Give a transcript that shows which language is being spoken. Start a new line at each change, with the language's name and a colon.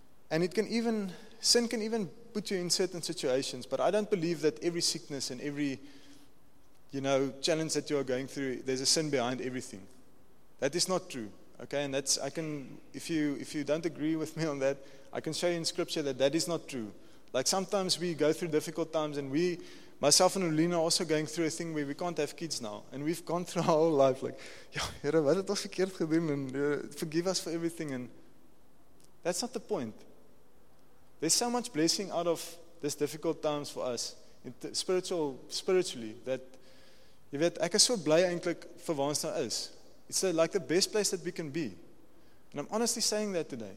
English: And sin can even put you in certain situations, but I don't believe that every sickness and every, you know, challenge that you are going through, there's a sin behind everything. That is not true. Okay, and that's, if you don't agree with me on that, I can show you in scripture that is not true. Like sometimes we go through difficult times and myself and Olina are also going through a thing where we can't have kids now. And we've gone through our whole life like, ja,
Afrikaans: Here, wat het ons verkeerd gedoen?
English: And forgive us for everything. And that's not the point. There's so much blessing out of this difficult times for us, spiritually, that you
Afrikaans: weet, ek is so bly eintlik vir waar ons nou is.
English: It's like the best place that we can be. And I'm honestly saying that today.